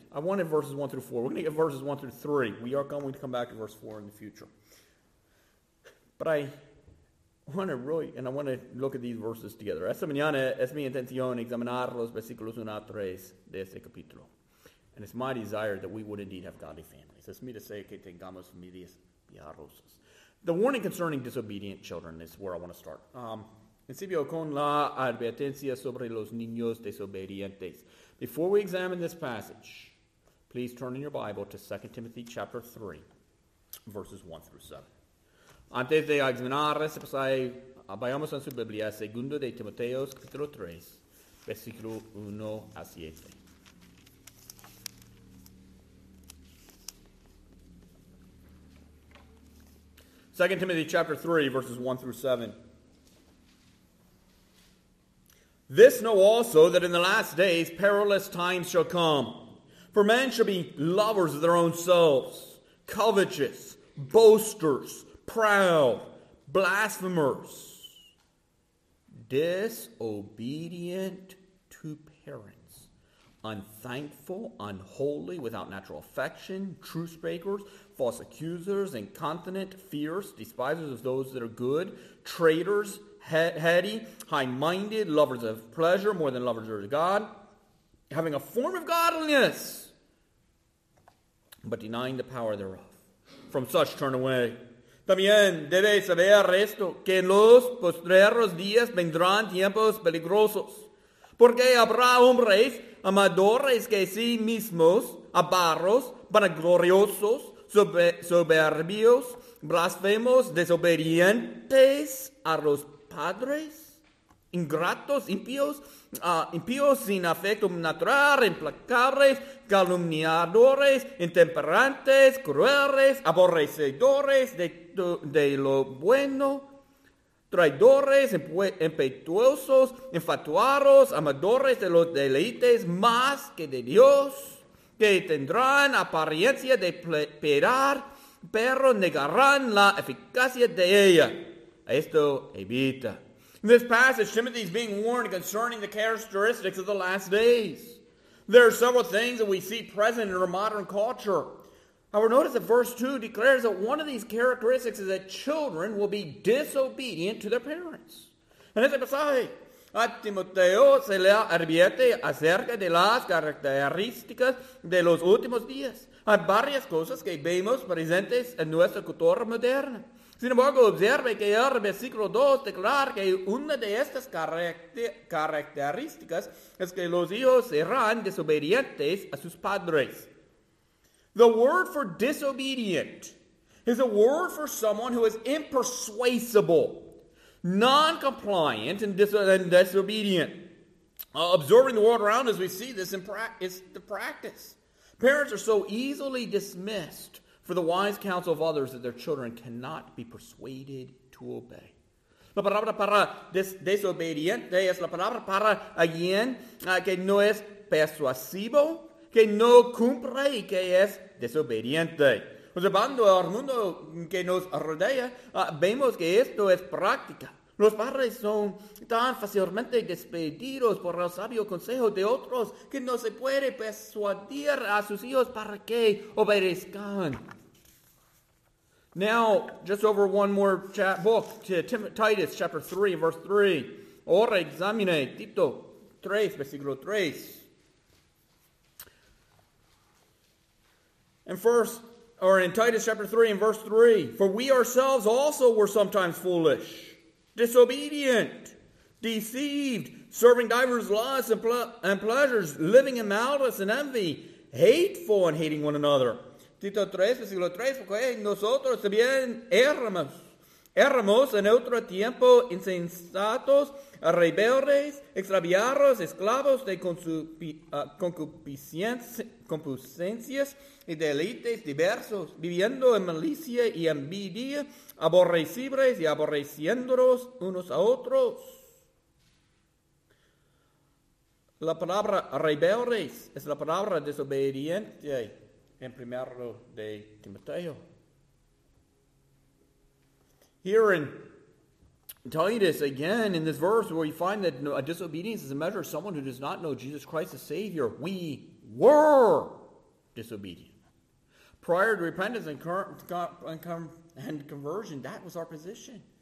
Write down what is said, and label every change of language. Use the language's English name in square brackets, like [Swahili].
[English] I wanted verses 1 through 4. We're going to get verses 1 through 3. We are going to come back to verse 4 in the future. But I want to really, and I want to look at these verses together. [Spanish] Esta mañana es mi intención examinar los versículos 1 a 3 de este capítulo. [English] And it's my desire that we would indeed have godly families. [Spanish] Es mi deseo que tengamos familias piadosas. [English] The warning concerning disobedient children is where I want to start. [Spanish] Principio con la advertencia sobre los niños desobedientes. [English] Before we examine this passage, please turn in your Bible to 2 Timothy chapter 3, verses 1 through 7. [Spanish] Antes de examinar este pasaje, vayamos en su Biblia, 2 de Timoteo, capítulo 3, versículo 1 a 7. [English] Second Timothy chapter 3, verses 1 through 7. This know also that in the last days perilous times shall come. For men shall be lovers of their own selves, covetous, boasters, proud, blasphemers, disobedient to parents, unthankful, unholy, without natural affection, truce breakers, false accusers, incontinent, fierce, despisers of those that are good, traitors, heady, high-minded, lovers of pleasure more than lovers of God, having a form of godliness, but denying the power thereof. From such turn away. [Spanish] También debes saber esto, que en los postreros días vendrán tiempos peligrosos, porque habrá hombres amadores que sí mismos, avaros, vanagloriosos, soberbios, blasfemos, desobedientes a los padres, ingratos, impíos, impíos sin afecto natural, implacables, calumniadores, intemperantes, crueles, aborrecedores de lo bueno, traidores, impetuosos, infatuados, amadores de los deleites más que de Dios, que tendrán apariencia de piedad, pero negarán la eficacia de ella. Esto evita. [English] In this passage, Timothy is being warned concerning the characteristics of the last days. There are several things that we see present in our modern culture. However, notice that verse 2 declares that one of these characteristics is that children will be disobedient to their parents. [Spanish] En este pasaje, a Timoteo se le advierte acerca de las características de los últimos días. Hay varias cosas que vemos presentes en nuestra cultura moderna. Sin embargo, observe que el versículo 2 declara que una de estas características es que los hijos serán desobedientes a sus padres. [English] The word for disobedient is a word for someone who is impersuasible, non-compliant, and disobedient. Observing the world around us, we see this in practice. Parents are so easily dismissed for the wise counsel of others that their children cannot be persuaded to obey. [Spanish] La palabra para desobediente es la palabra para alguien que no es persuasivo, que no cumple y que es desobediente. Observando al mundo que nos rodea, vemos que esto es práctica. Los padres son tan fácilmente despedidos por el sabio consejo de otros que no se puede persuadir a sus hijos para que obedezcan. [English] Now, just over one more book to Titus chapter 3, verse 3. [Spanish] Ahora examine Tito 3, versículo 3. [English] In Titus chapter 3 and verse 3, for we ourselves also were sometimes foolish, disobedient, deceived, serving divers lusts and pleasures, living in malice and envy, hateful and hating one another. [Spanish] Tito 3, versículo 3, porque nosotros también éramos en otro tiempo insensatos, rebeldes, extraviados, esclavos de concupiscencias y delites diversos, viviendo en malicia y envidia, aborrecibles y aborreciéndonos unos a otros. La palabra rebeldes es la palabra desobediente en primero de Timoteo. [English] Here in Titus, again, in this verse where we find that a disobedience is a measure of someone who does not know Jesus Christ as Savior. We were disobedient. Prior to repentance and conversion, that was our position.